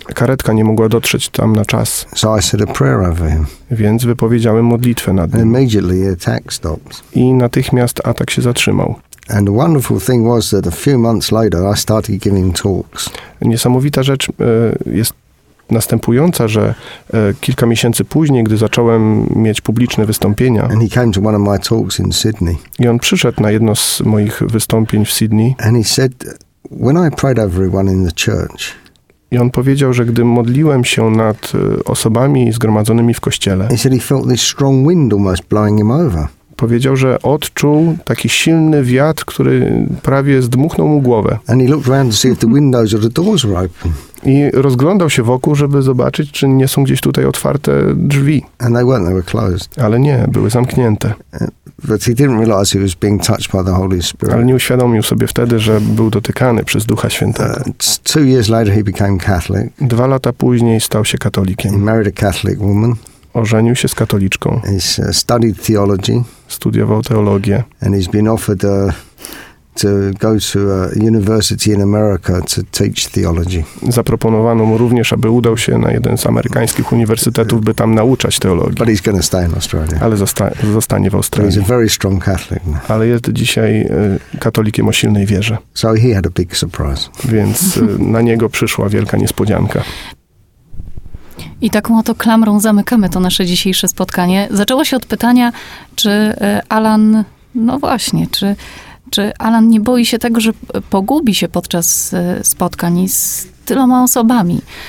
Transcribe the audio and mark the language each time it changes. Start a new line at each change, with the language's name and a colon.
Polish: Karetka nie mogła dotrzeć tam na czas.
English: So I said a prayer over him.
Polish: Więc wypowiedziałem modlitwę nad nim.
English: And immediately the attack stopped.
Polish: I natychmiast atak się zatrzymał.
English: And the wonderful thing was that a few months later I started giving talks.
Polish: Niesamowita rzecz jest następująca, że kilka miesięcy później, gdy zacząłem mieć publiczne wystąpienia,
English: and he came to one of my talks in Sydney.
Polish: I on przyszedł na jedno z moich wystąpień w Sydney.
English: And he said, when I prayed over everyone in the church,
Polish: i on powiedział, że gdy modliłem się nad osobami zgromadzonymi w kościele,
English: he said he felt this strong wind almost blowing him over.
Polish: Powiedział, że odczuł taki silny wiatr, który prawie zdmuchnął mu głowę.
English: And he looked around to see if the windows or the doors were open.
Polish: I rozglądał się wokół, żeby zobaczyć, czy nie są gdzieś tutaj otwarte drzwi.
English: And they weren't, they were closed.
Polish: Ale nie, były zamknięte.
English: But he didn't realize he was being touched by the Holy Spirit.
Polish: Ale nie uświadomił sobie wtedy, że był dotykany przez Ducha Świętego.
English: Two years later he became Catholic.
Polish: 2 lata później stał się katolikiem.
English: He married a Catholic woman.
Polish: Ożenił się z katoliczką.
English: He's studied theology.
Polish: Studiował teologię.
English: And he's been offered to go to a university in America to teach theology.
Polish: Zaproponowano mu również, aby udał się na jeden z amerykańskich uniwersytetów, by tam nauczać teologii.
English: But he's going to stay in Australia.
Polish: Ale zostanie w Australii.
English: He's a very strong Catholic.
Polish: Ale jest dzisiaj katolikiem o silnej wierze.
English: So he had a big surprise.
Polish: Więc na niego przyszła wielka niespodzianka. I taką oto klamrą zamykamy to nasze dzisiejsze spotkanie. Zaczęło się od pytania, czy Alan, no właśnie, czy Alan nie boi się tego, że pogubi się podczas spotkań z tyloma osobami?